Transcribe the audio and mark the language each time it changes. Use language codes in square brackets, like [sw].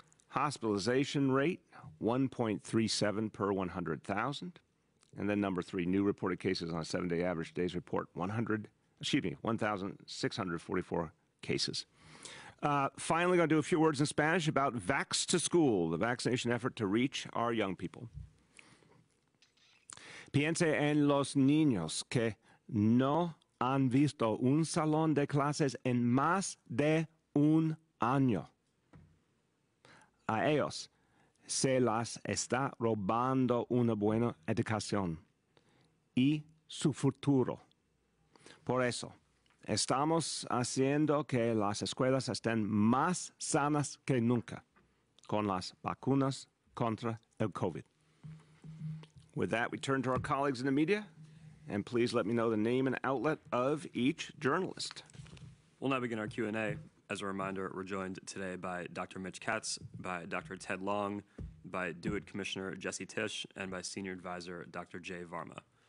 [en] Hospitalization rate, 1.37 per 100,000. And then number three, new reported cases on a seven-day average. Today's report, 1,644 cases. Finally, going to do a few words in Spanish about Vax to School, the vaccination effort to reach our young people. [es] Piense en los niños que no han visto un salón de clases en más de un año. A ellos se las está robando una buena educación y su futuro. Por eso, estamos haciendo que las escuelas estén más sanas que nunca con las vacunas contra el COVID. [en] With that, we turn to our colleagues in the media, and please let me know the name and outlet of each journalist. We'll now begin our Q&A. As a reminder, we're joined today by Dr. Mitch Katz, by Dr. Ted Long, by DOOHID Commissioner Jesse Tisch, and by Senior Advisor Dr. Jay Varma.